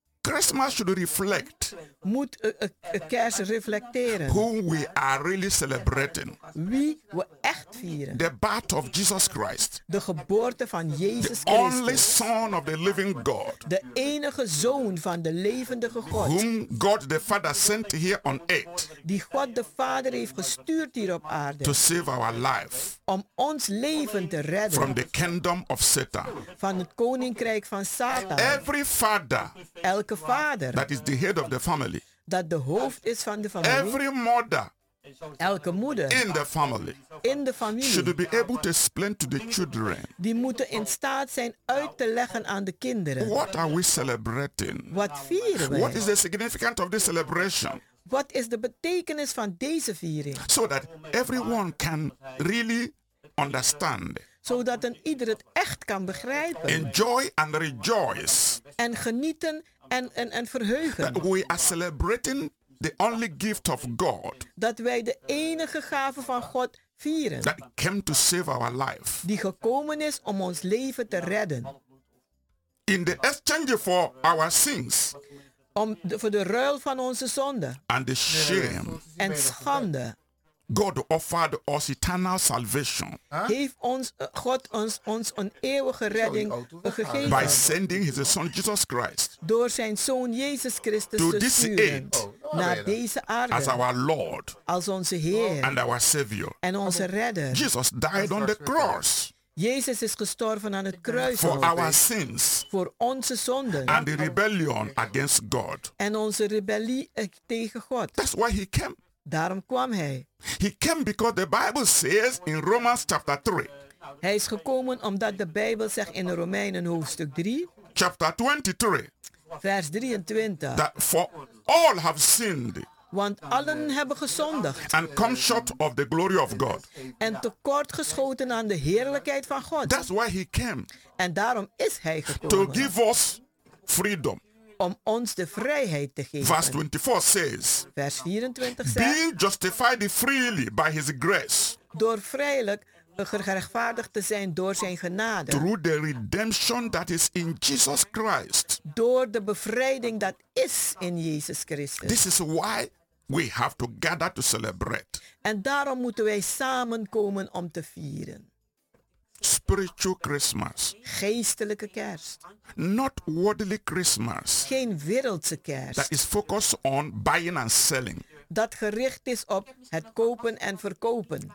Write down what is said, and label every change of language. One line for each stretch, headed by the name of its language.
English: Christmas should reflect.
Dutch: Moet kerst reflecteren.
English: Whom we are really celebrating.
Dutch: Wie we echt vieren.
English: The birth of Jesus Christ.
Dutch: De geboorte van Jezus Christus.
English: The only Son of the living God.
Dutch: De enige Zoon van de levendige God.
English: Whom God the Father sent here on earth.
Dutch: Die God de Vader heeft gestuurd hier op aarde.
English: To save our life.
Dutch: Om ons leven te redden.
English: From the kingdom of Satan.
Dutch: Van het koninkrijk van Satan.
English: Every father.
Dutch: Elke vader.
English: That is the head of the family.
Dutch: Dat de hoofd is van de familie.
English: Every mother.
Dutch: Elke moeder.
English: In the family.
Dutch: In de familie.
English: Should be able to explain to the children.
Dutch: Die moeten in staat zijn uit te leggen aan de kinderen.
English: What are we celebrating?
Dutch: Wat vieren we?
English: What is the significance of this celebration?
Dutch: Wat is de betekenis van deze viering?
English: So that everyone can really understand.
Dutch: Zodat een ieder het echt kan begrijpen.
English: Enjoy and rejoice.
Dutch: En genieten en verheugen.
English: That we are celebrating the only gift of God.
Dutch: Dat wij de enige gave van God vieren.
English: That came to save our life.
Dutch: Die gekomen is om ons leven te redden.
English: In the exchange for our sins.
Dutch: Om voor de ruil van onze zonde.
English: And the shame.
Dutch: En schande.
English: God offered us eternal salvation. Huh?
Dutch: Heeft ons God ons een eeuwige redding gegeven.
English: By sending his son Jesus Christ.
Dutch: Door zijn zoon Jezus Christus
English: to
Dutch: te sturen. Naar deze aarde.
English: As our Lord.
Dutch: Als onze Heer.
English: And our Savior.
Dutch: En onze Redder.
English: Jesus died on the cross.
Dutch: Jezus is gestorven aan het kruis.
English: For our sins.
Dutch: Voor onze zonden.
English: And the rebellion against God.
Dutch: En onze rebellie tegen God.
English: That's why he came.
Dutch: Daarom kwam hij.
English: He came because the Bible says in Romans chapter 3.
Dutch: Hij is gekomen omdat de Bijbel zegt in Romeinen hoofdstuk 3.
English: Chapter 23.
Dutch: Vers 23.
English: That for all have sinned.
Dutch: Want allen hebben gezondigd.
English: And come short of the glory of God.
Dutch: En tekortgeschoten aan de heerlijkheid van God.
English: That's why he came.
Dutch: En daarom is hij gekomen.
English: To give us freedom.
Dutch: Om ons de vrijheid te geven.
English: Verse 24 says.
Dutch: Vers 24 zegt.
English: Being justified freely by his grace.
Dutch: Door vrijelijk gerechtvaardigd te zijn door zijn genade.
English: Through the redemption that is in Jesus Christ.
Dutch: Door de bevrijding dat is in Jezus Christus.
English: This is why we have to gather to celebrate.
Dutch: En daarom moeten wij samenkomen om te vieren.
English: Spiritual Christmas.
Dutch: Geestelijke kerst.
English: Not worldly Christmas.
Dutch: Geen wereldse kerst.
English: That is focused on buying and selling.
Dutch: Dat gericht is op het kopen en verkopen.